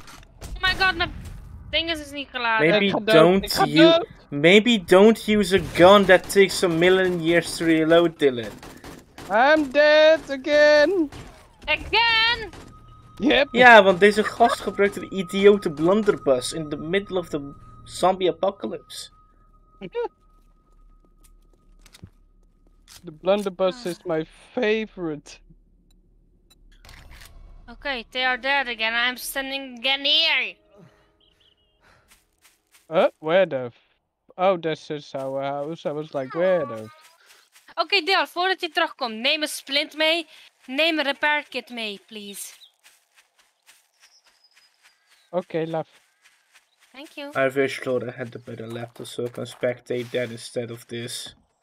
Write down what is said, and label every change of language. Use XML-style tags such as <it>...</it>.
<en>Oh my god, my thing is not collapsing. Maybe don't you... Maybe don't use a gun that takes a million years to reload, Dylan. I'm dead again! Again? Yep.</en> <nl>Yeah, want deze gast gebruikt een idiote blunderbus</nl> <en>in the middle of the zombie apocalypse. The blunderbus is my favorite. Okay, they are dead again. I'm standing again here. Where the f- Oh, this is our house. I was like, where the f-</en> <nl>Okay, Dale, voordat je terugkomt, neem een splint mee. Neem een repair kit mee, please.</nl> <en>Okay, love. Thank you. I wish Laura had a better laptop so I can spectate that instead of this.</en>